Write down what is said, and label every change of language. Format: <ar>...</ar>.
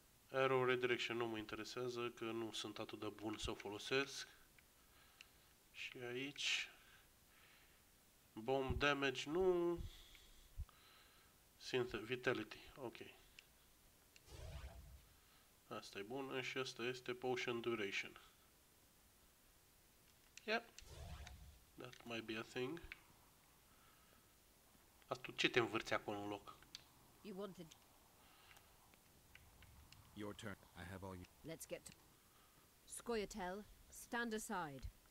<ro>Arrow Redirection nu mă interesează, că nu sunt atât de bun să o folosesc. Și aici, bomb damage, nu, synth vitality, ok. Asta e bună și asta este potion duration.</ro> <en>Yep, that might be a thing.</en> <ro>Asta, tu ce te învârți acolo în loc?</ro> <en>You wanted... Your turn, I have all you... Let's get to... Scoia'tael, stand aside.</en>